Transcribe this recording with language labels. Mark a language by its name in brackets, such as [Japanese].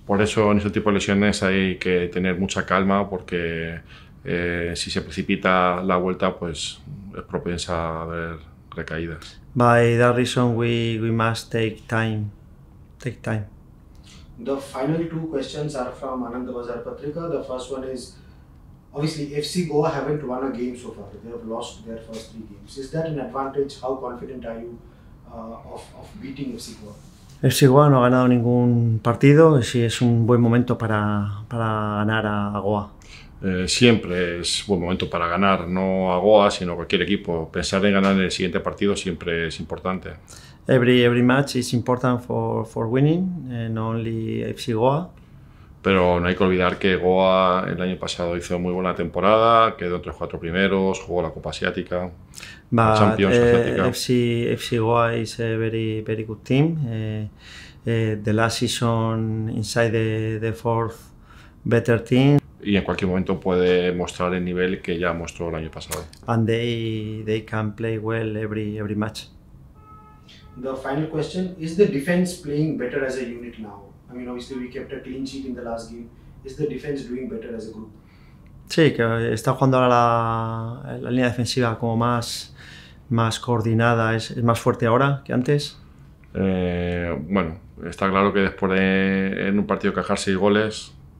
[Spanish] Por eso en ese tipo de lesiones hay que tener mucha calma porque si se precipita la vuelta pues es propensa a haber recaídas. [English] By that reason we must take time. The final two questions are from Anand Bazar Patrika. The first one is, obviously, FC Goa haven't won a game so far. They have lost their first three games. Is that an advantage? How confident are you of beating FC Goa? [Spanish] FC Goa no ha ganado ningún partido. Sí, es un buen momento para ganar a Goa. Siempre es buen momento para ganar, no a Goa, sino a cualquier equipo. Pensar en ganar en el siguiente partido siempre es importante. [English] Every match is important for winning, not only FC Goa. [Spanish] Pero no hay que olvidar que Goa el año pasado hizo muy buena temporada, quedó entre los cuatro primeros, jugó la Copa Asiática, la Champions Asiática. [English] FC Goa is a very, very good team. The last season inside the fourth better team. [Spanish] Y en cualquier momento puede mostrar el nivel que ya mostró el año pasado. [English] And they can play well every match. The final question, is the defense playing better as a unit now? I mean, obviously we kept a clean sheet in the last game. Is the defense doing better as a group? [Spanish] Sí, que está jugando ahora la línea defensiva como más coordinada, es más fuerte ahora que antes. Bueno, está claro que después de en un partido cajar 6 goles.